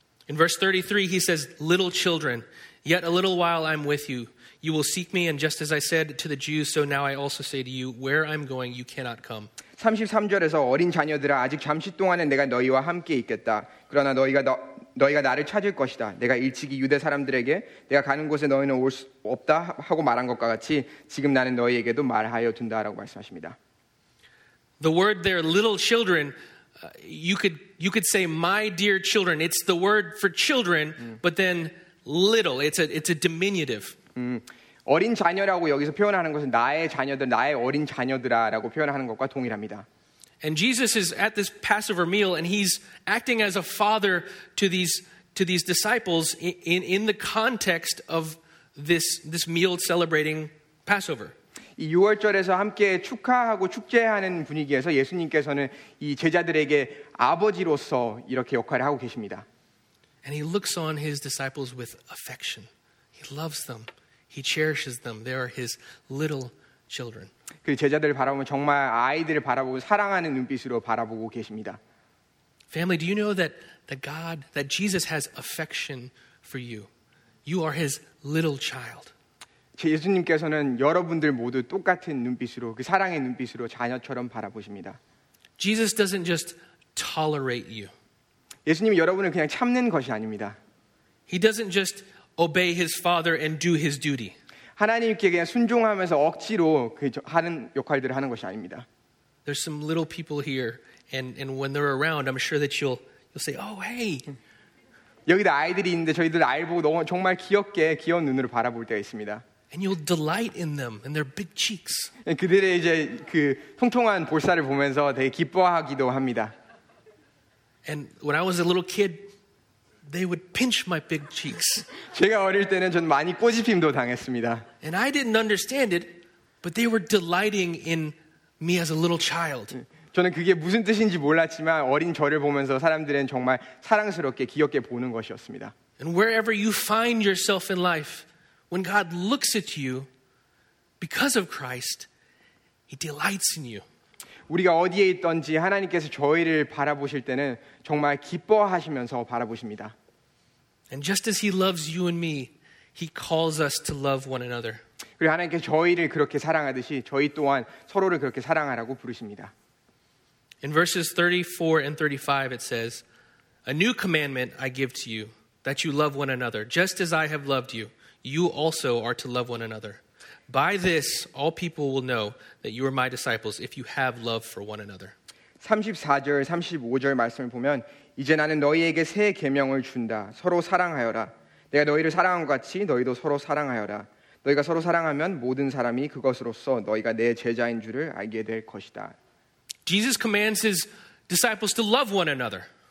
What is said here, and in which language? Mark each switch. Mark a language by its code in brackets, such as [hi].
[en] In verse 33 he says, "Little children, yet a little while I'm with you. You will seek me, and just as I said to the Jews, so now I also say to you, where I'm going, you cannot come." [ko] 33절에서 어린 자녀들아 아직 잠시 동안은 내가 너희와 함께 있겠다. 그러나 너희가 나를 찾을 것이다. 내가 일찍이 유대 사람들에게 내가 가는 곳에 너희는 올 수 없다 하고 말한 것과 같이 지금 나는 너희에게도 말하여 둔다라고 말씀하십니다. [en] The word there, little children, you could say my dear children. It's the word for children, but then little. It's a diminutive. [ko] 어린 자녀라고 여기서 표현하는 것은 나의 자녀들, 나의 어린 자녀들아라고 표현하는 것과 동일합니다. [en] And Jesus is at this Passover meal, and he's acting as a father to these disciples in the context of this meal celebrating Passover. [ko] 이 유월절에서 함께 축하하고 축제하는 분위기에서 예수님께서는 이 제자들에게 아버지로서 이렇게 역할을 하고 계십니다. [en] And he looks on his disciples with affection. He loves them. He cherishes them. They are his little children. [ko] 그 제자들을 바라보면 정말 아이들을 바라보고 사랑하는 눈빛으로 바라보고 계십니다. [en] Family, do you know that Jesus has affection for you? You are his little child. [ko] 예수님께서는 여러분들 모두 똑같은 눈빛으로 그 사랑의 눈빛으로 자녀처럼 바라보십니다. [en] Jesus doesn't just tolerate you. [ko] 예수님 여러분을 그냥 참는 것이 아닙니다. [en] He doesn't just obey his father and do his duty. [ko] 하나님께 그냥 순종하면서 억지로 그 하는 역할들을 하는 것이 아닙니다. [en] There's some little people here and when they're around I'm sure that you'll say, "Oh, hey." [ko] 여기도 아이들이 있는데 저희들 아이 보고 너무 정말 귀엽게 귀여운 눈으로 바라볼 때가 있습니다. [en] And you'll delight in them and their big cheeks. [ko] 그들의 이제 그 통통한 볼살을 보면서 되게 기뻐하기도 합니다. [en] And when I was a little kid, they would pinch my big cheeks. [ko] 제가 어릴 때는 전 많이 꼬집힘도 당했습니다. [en] And I didn't understand it, but they were delighting in me as a little child. [ko] 저는 그게 무슨 뜻인지 몰랐지만 어린 저를 보면서 사람들은 정말 사랑스럽게 귀엽게 보는 것이었습니다. [en] And wherever you find yourself in life, when God looks at you because of Christ, he delights in you. [ko] 우리가 어디에 있던지 하나님께서 저희를 바라보실 때는 정말 기뻐하시면서 바라보십니다. [en] And just as he loves you and me, he calls us to love one another. [ko] 그리고 하나님께서 저희를 그렇게 사랑하듯이 저희 또한 서로를 그렇게 사랑하라고 부르십니다. [en] In verses 34 and 35 it says, "A new commandment I give to you, that you love one another, just as I have loved you. You also are to love one another. By this, all people will know that you are my disciples if you have love for one another." [ko] 34절, 35절 말씀을 보면 이제 나는 너희에게 새 계명을 준다. 서로 사랑하여라. 내가 너희를 사랑한 것 같이 너희도 서로 사랑하여라. 너희가 서로 사랑하면 모든 사람이 그것으로써 너희가 내 제자인 줄을 알게 될 것이다. [en] Jesus commands his disciples to love one another.